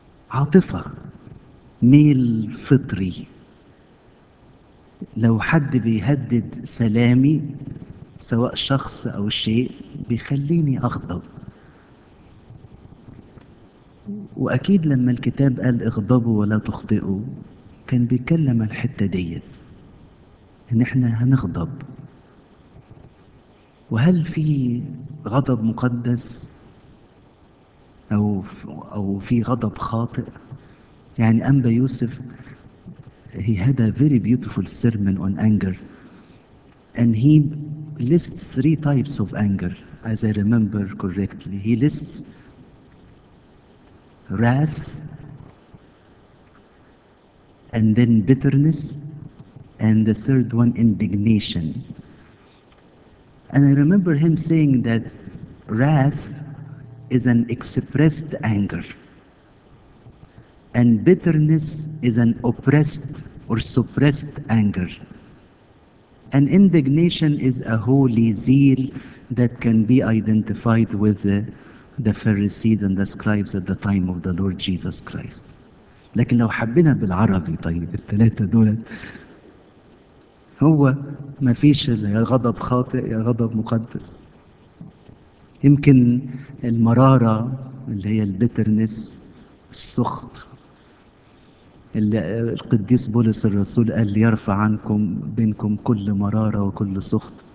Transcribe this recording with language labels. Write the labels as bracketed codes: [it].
[ar] عاطفة، ميل فطري. لو حد بيهدد سلامي سواء شخص أو شيء بيخليني أغضب. وأكيد لما الكتاب قال اغضبوا ولا تخطئوا كان بيكلم الحتة ديت، إن إحنا هنغضب. وهل في غضب مقدس أو في غضب خاطئ؟ يعني أنبا يوسف [en] he had a very beautiful sermon on anger and he lists three types of anger as I remember correctly. He lists wrath and then bitterness and the third one indignation. And I remember him saying that wrath is an expressed anger and bitterness is an oppressed or suppressed anger. And indignation is a holy zeal that can be identified with the Pharisees and the scribes at the time of the Lord Jesus Christ. [ar] لكن لو حبينا بالعربي طيب التلاتة دول هو ما فيش يا غضب خاطئ يا غضب مقدس. يمكن المرارة اللي هي البترنس السخط القديس بولس الرسول قال يرفع عنكم بينكم كل مرارة وكل سخط.